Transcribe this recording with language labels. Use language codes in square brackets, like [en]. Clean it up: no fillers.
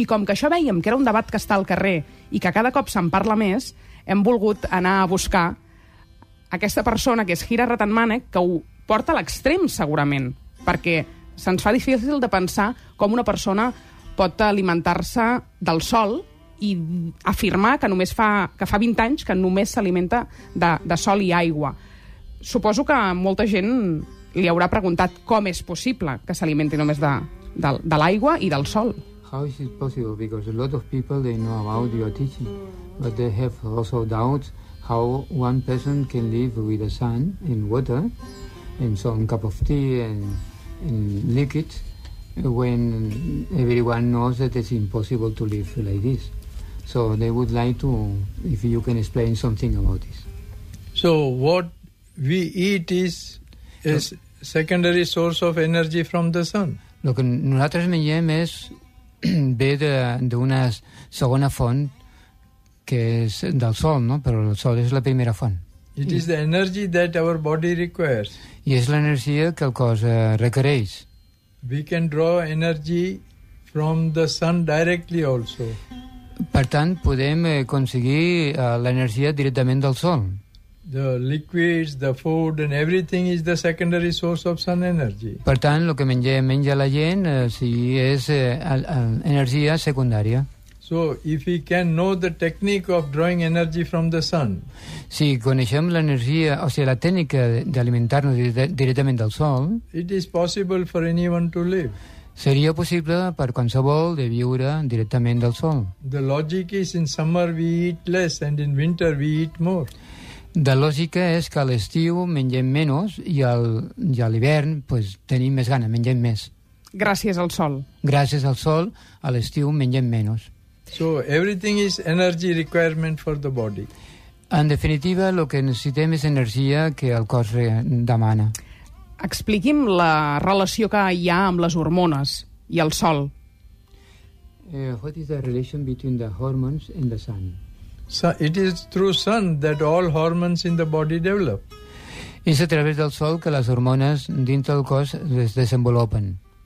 [ca] I com que això veiem que era un debat que està al carrer i que cada cop se'n parla més, hem volgut anar a buscar aquesta persona, que és Hira Ratanmanik, que ho porta a l'extrem, segurament, perquè se'ns fa difícil de pensar com una persona pot alimentar-se del sol i afirmar que només fa 20 anys que només s'alimenta de sol i aigua. Suposo que molta gent li haurà preguntat com és possible que s'alimenti només de l'aigua i del sol. [en] How is it possible? Because a lot of people, they know about your teaching, but they have also doubts how one person can live with the sun and water and some cup of tea and liquid when everyone knows that it's impossible to live like this. So they would like to, if you can explain something about this. So what we eat is a secondary source of energy from the sun. [ca] Lo que nosaltres mengem és ve d'una segona font, que és del sol, no? Però el sol és la primera font. [en] It is the energy that our body requires. [ca] I és l'energia que el cos requereix. [en] We can draw energy from the sun directly also. [ca] Per tant, podem aconseguir l'energia directament del sol. [en] The liquids, the food and everything is the secondary source of sun energy. [ca] Per tant, el que menja la gent energia secundària. [en] So if we can know the technique of drawing energy from the sun. [ca] Si coneixem l'energia, o sigui, la tècnica d'alimentar-nos directament del sol, [en] it is possible for anyone to live. [ca] Seria possible per qualsevol de viure directament del sol. [en] The logic is in summer we eat less and in winter we eat more. [ca] La lògica és que a l'estiu mengem menys i a l'hivern pues, tenim més gana, mengem més. Gràcies al sol. Gràcies al sol, a l'estiu mengem menys. [en] So everything is energy requirement for the body. [ca] En definitiva, el que necessitem és energia que el cos demana. Expliqui'm la relació que hi ha amb les hormones i el sol. [en] What is the relation between the hormones and the sun? So it is through sun that all hormones in the body develop. [ca] És a través del sol que les hormones dintre del cos es desenvolupen.